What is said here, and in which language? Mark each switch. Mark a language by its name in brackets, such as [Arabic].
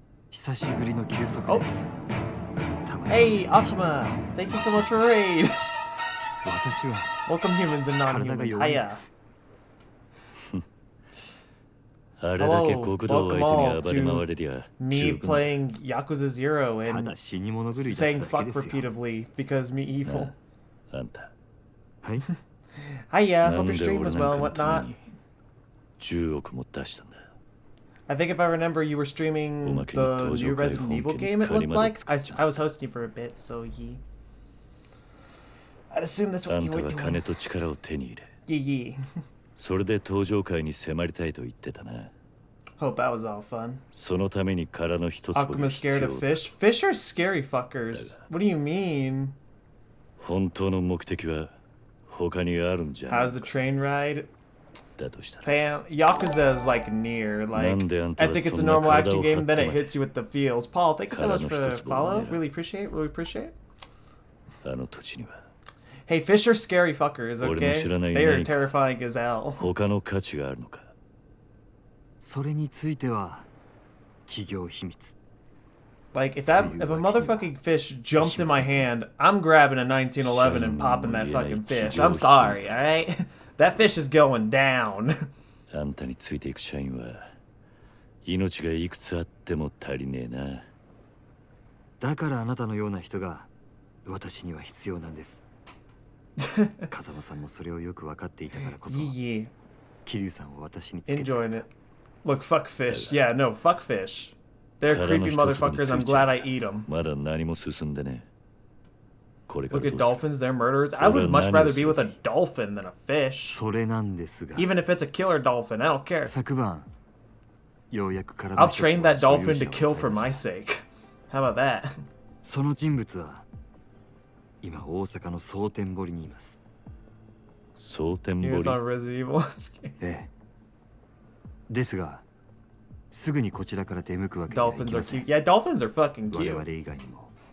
[Japanese] 久しぶりの休息です。 [English] Hey, Akuma! Thank you so much for the raid! [Japanese] 私は [English] Welcome humans and non-humans, Aya! [Japanese] あれだけ極道相手に暴れ回れりゃ [English] me playing Yakuza Zero and saying fuck repeatedly because me evil. [Japanese] あんた。はい。 [English] Hiya, hope your stream was well and whatnot. [Japanese] 10億も出したんだ。 [English] I think if I remember, you were streaming the new Resident Evil game, it looked like. I was hosting for a bit, so yeah. I'd assume that's what you were doing. [Japanese] あんたは金と力を手に入れ。 [English] Yeah, yeah. [Japanese] それで登場会に迫りたいと言ってたな。 [English] Hope that was all fun. [Japanese] そのために殻の一つも必要だ。 [English] Akuma's scared of fish? Fish are scary fuckers. What do you mean? [Japanese] 本当の目的は他にあるんじゃ。 [English] How's the train ride? [Japanese] だとしたら [English] Fam, Yakuza is like near. Like, I think it's a normal action game, then it hits you with the feels. Paul, thank you so much for the follow. Really appreciate it. Really appreciate it. Hey, fish are scary fuckers, okay? They are terrifying as hell. [Japanese] 他の価値があるのか。それについては企業秘密。 [English] Like, if a motherfucking fish jumps in my hand, I'm grabbing a 1911 and popping that fucking fish. I'm sorry, alright? That fish is going down. [Japanese] あんたについていく社員は命がいくつあっても足りねえな。だからあなたのような人が私には必要なんです。風間さんもそれをよく分かっていたからこそ、桐生さんを私につけてくれた。 [English] Look, fuck fish. Yeah, no, fuck fish. They're creepy motherfuckers. I'm glad I eat them. [Japanese] まだ何も進んでねえ。 [English] Look at dolphins, they're murderers. I would much rather be with a dolphin than a fish. [Japanese] それなんですが。 [English] Even if it's a killer dolphin, I don't care. [Japanese] 昨晩、ようやく体の [English] I'll train that dolphin to kill for my sake. How about that? [Japanese] その人物は、今大阪の蒼天堀にいます。蒼天堀。 [English] He was on Resident Evil. [Japanese] ええ。ですが、すぐにこちらから出向くわけではありません。 [English] Dolphins are cute. Yeah, dolphins are fucking cute. [Japanese] 我々以外にも。